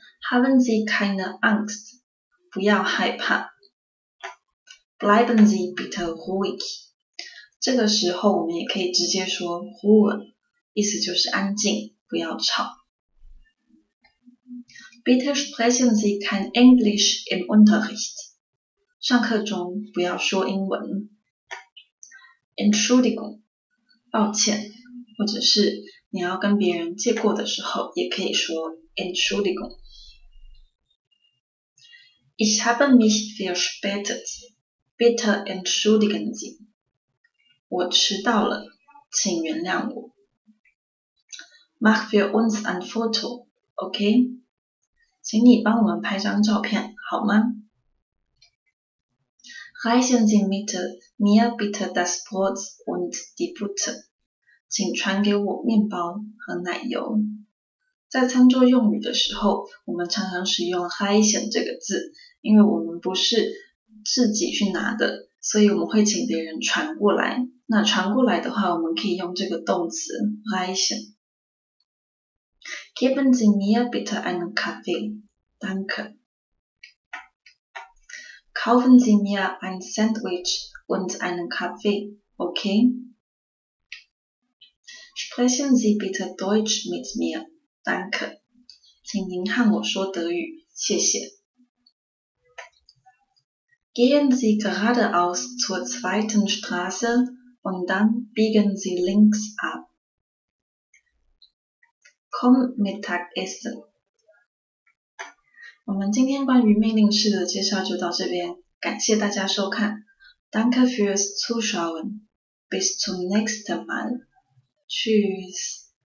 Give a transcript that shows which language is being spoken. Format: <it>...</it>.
<de>Haben Sie keine Angst？</de> <zh>不要害怕。</zh> <de>Bleiben Sie bitte ruhig。</de> <zh>这个时候我们也可以直接说 Ruhe， 意思就是安静，不要吵。</zh> <de>Bitte sprechen Sie kein Englisch im Unterricht。</de> <zh>上课中不要说英文。 Entschuldigung， 抱歉，或者是你要跟别人借过的时候，也可以说 Entschuldigung。</zh> <de>Ich habe mich verspätet. Bitte entschuldigen Sie.</de> <zh>我迟到了，请原谅我。</zh> <de>Mach für uns ein Foto, okay?</de> <zh>请你帮我们拍张照片，好吗？</zh> <de>Reichen Sie mit mir bitte das Brot und die Butter.</de> <zh>请传给我面包和奶油。在餐桌用语的时候，我们常常使用 reichen 这个字，因为我们不是自己去拿的，所以我们会请别人传过来。那传过来的话，我们可以用这个动词 reichen。</zh> <de>Geben Sie mir bitte einen Kaffee, danke. Kaufen Sie mir ein Sandwich und einen Kaffee, okay? Sprechen Sie bitte Deutsch mit mir, danke.</de> <zh>请您和我说德语，谢谢。</zh> <de>Gehen Sie geradeaus zur zweiten Straße und dann biegen Sie links ab. Komm Mittagessen.</de> <zh>我们今天关于命令式的介绍就到这边，感谢大家收看。</zh> <de>Danke fürs Zuschauen. Bis zum nächsten Mal. Tschüss.</de>